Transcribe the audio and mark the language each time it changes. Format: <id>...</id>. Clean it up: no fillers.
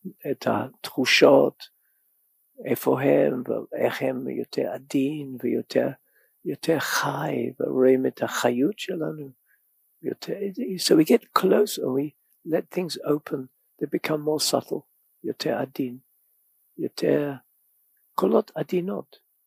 <he>את התחושות, איפה הם, ואיך הם יותר עדין, ויותר חי, ורואים את החיות שלנו.</he> <en>So we get close and we let things open. They become more subtle,</en> <he>יותר עדין, יותר קולות עדינות.</he>